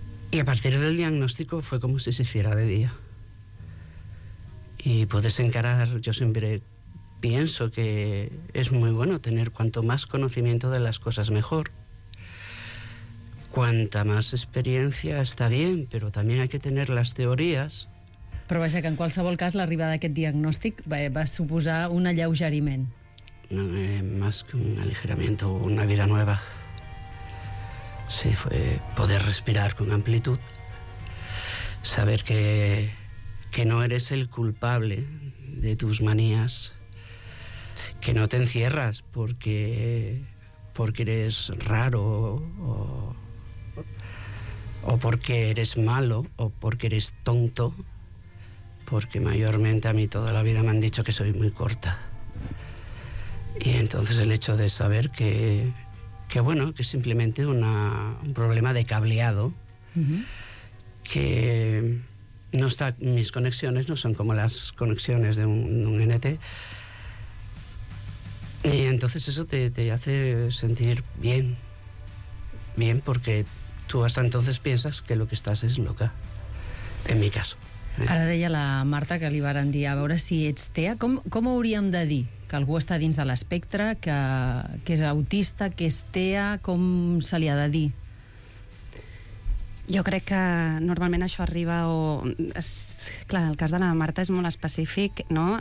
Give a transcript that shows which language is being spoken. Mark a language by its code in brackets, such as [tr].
[es] Y a partir del diagnóstico fue como si se hiciera de día. Y puedes encarar, yo siempre pienso que es muy bueno tener cuanto más conocimiento de las cosas mejor. Cuanta más experiencia está bien, pero también hay que tener las teorías. [ca] Però vaja, que en qualsevol cas l'arribada d'aquest diagnòstic va suposar un alleugeriment. [es] No, más que un alejamiento, una vida nueva. Sí, fue poder respirar con amplitud. Saber que no eres el culpable de tus manías. Que no te encierras porque eres raro o porque eres malo o porque eres tonto. Porque mayormente a mí toda la vida me han dicho que soy muy corta. Y entonces el hecho de saber que bueno, que es simplemente un problema de cableado, que no está, mis conexiones no son como las conexiones de un NT. Y entonces eso te hace sentir bien. Bien, porque tú hasta entonces piensas que lo que estás es loca. En mi caso. [ca] Ara deia la Marta que li varen dir a veure si ets TEA. Com hauríem de dir que algú està dins de l'espectre, que és autista, que és TEA? Com se li ha de dir? Jo crec que normalment això arriba o... Clar, el cas de la Marta és molt específic, no?